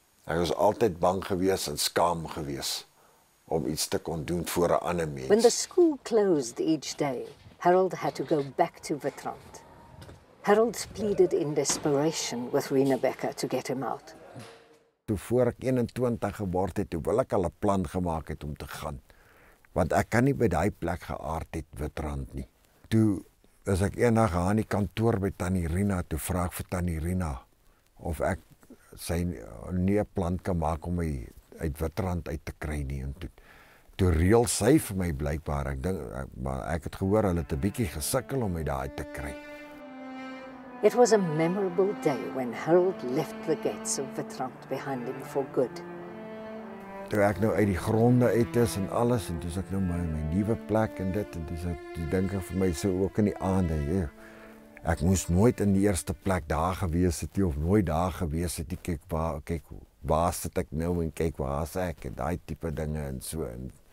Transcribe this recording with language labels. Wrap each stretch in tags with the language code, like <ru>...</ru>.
<af>Ek was altyd bang gewees en skaam gewees om iets te kon doen voor 'n ander mens.</af> <en>When the school closed each day, Harold had to go back to Witrand. Harold pleaded in desperation with Rena Becker to get him out.</en> <af>Toe voor ek 21 geword het, toe wil ek al 'n plan gemaak het om te gaan. Want ek kan nie by daai plek geaard het, Witrand nie. Toe is ek eendag aan die kantoor by Tannie Rena, toe vra ek vir Tannie Rena of ek sy nie 'n plan kan maak om my uit Witrand uit te kry nie. En toe reël sy vir my blykbaar, ek dink, maar ek het gehoor hulle het 'n bietjie gesukkel om my daar uit te kry.</af> <en>It was a memorable day when Harold left the gates of Witrand behind him for good.</en> <af>Toe ek nou uit die gronde uit is en alles, en dis ek nou my nuwe plek en dit, en dis ek dink vir my so ook in die aande, jy. Ek moes nooit in die eerste plek daar gewees het, of nooit daar gewees het, kyk waar sit ek nou en kyk waar is ek, en die type dinge en so. En</af>